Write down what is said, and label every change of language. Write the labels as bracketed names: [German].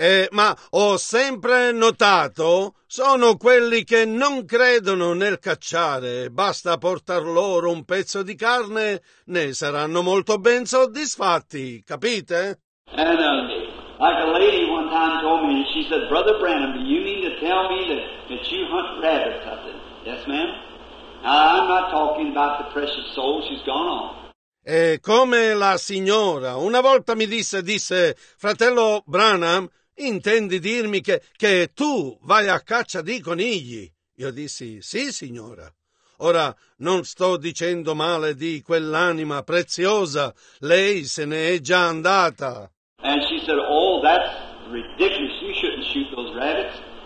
[Italian] Ma ho sempre notato, sono quelli che non credono nel cacciare, basta portar loro un pezzo di carne, ne saranno molto ben soddisfatti, capite? [English] And like a lady one time told me, she said, Brother Branham, do you mean to tell me that you hunt rabbits? I said, yes ma'am, I'm not talking about the precious soul, she's gone on. [Italian] E come la signora, una volta mi disse, fratello Branham, intendi dirmi che tu vai a caccia di conigli? Io dissi, sì, signora. Ora, non sto dicendo male di quell'anima preziosa, lei se ne è già andata. [English] And she said, oh, that's ridiculous, you shouldn't shoot those rabbits.